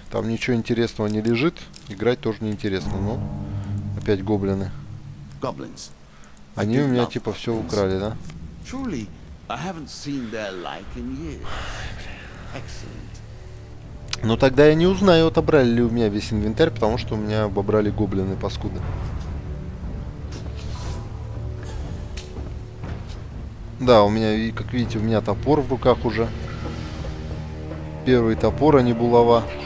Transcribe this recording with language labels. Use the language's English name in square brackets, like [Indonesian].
[Russian] Там ничего интересного не лежит. Играть тоже неинтересно. Ну, опять гоблины. Они у меня типа все украли, да? [English] I haven't seen their like in years. Excellent. [Russian] Но тогда я не узнаю, отобрали ли у меня весь инвентарь, потому что у меня обобрали гоблины паскуды. Да, у меня, как видите, у меня топор в руках уже. Первый топор, а не булава.